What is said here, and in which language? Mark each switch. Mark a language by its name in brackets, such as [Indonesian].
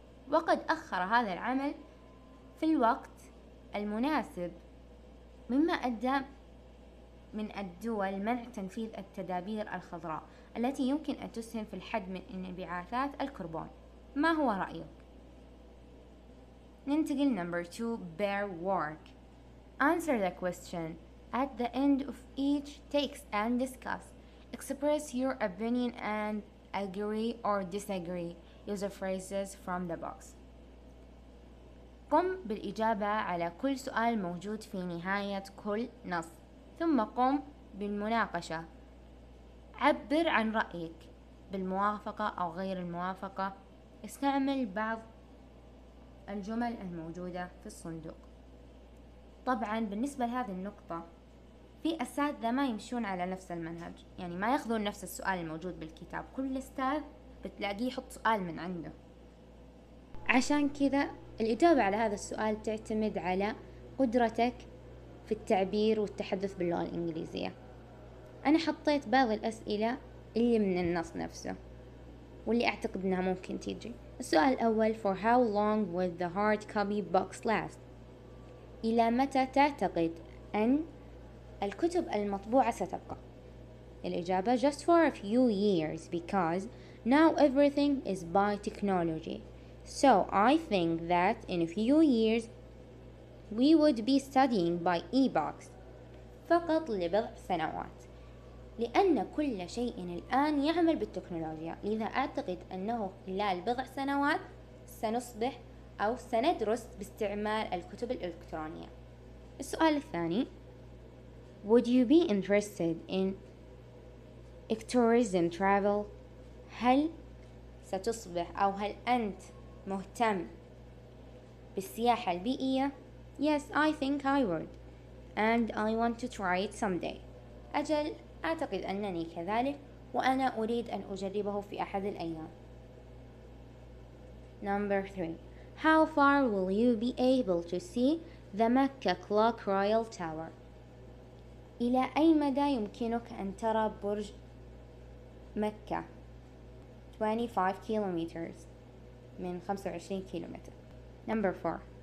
[Arabic] وقد أخر هذا العمل في الوقت المناسب مما أدى من الدول منع تنفيذ التدابير الخضراء التي يمكن أن تسهم في الحد من انبعاثات الكربون. ما هو رأيك؟ ننتقل [English] number 2. Bear work. Answer the question at the end of each text and discuss. Express your opinion and agree or disagree. Use the phrases from the box. [Arabic] قم بالإجابة على كل سؤال موجود في نهاية كل نص، ثم قم بالمناقشة. عبر عن رأيك بالموافقة أو غير الموافقة. استعمل بعض الجمل الموجودة في الصندوق. طبعا بالنسبة لهذه النقطة، في أساتذة ما يمشون على نفس المنهج، يعني ما يأخذون نفس السؤال الموجود بالكتاب. كل أستاذ بتلاقيه يحط سؤال من عنده. عشان كذا الإجابة على هذا السؤال تعتمد على قدرتك في التعبير والتحدث باللغة الإنجليزية. أنا حطيت بعض الأسئلة اللي من النص نفسه واللي أعتقد أنها ممكن تيجي. السؤال الأول: [English] For how long will the hard copy box last؟ [Arabic] إلى متى تعتقد أن الكتب المطبوعة ستبقى؟ الإجابة: [English] Just for a few years because now everything is by technology. So I think that in a few years we would be studying by e-books. [Arabic] فقط لبضع سنوات، لأن كل شيء الآن يعمل بالتكنولوجيا، لذا أعتقد أنه خلال بضع سنوات سنصبح أو سندرس باستعمال الكتب الإلكترونية. السؤال الثاني: [English] Would you be interested in ecotourism travel؟ [Arabic] هل ستصبح أو هل أنت مهتم بالسياحة البيئية؟ [English] Yes, I think I would. And I want to try it someday. [Arabic] أجل، أعتقد أنني كذلك وأنا أريد أن أجربه في أحد الأيام. [English] Number 3. How far will you be able to see the Mecca Clock Royal Tower؟ [Arabic] إلى أي مدى يمكنك أن ترى برج مكة؟ [English] 25 kilometers. [Arabic] من 25 كيلومتر. [English] Number 4.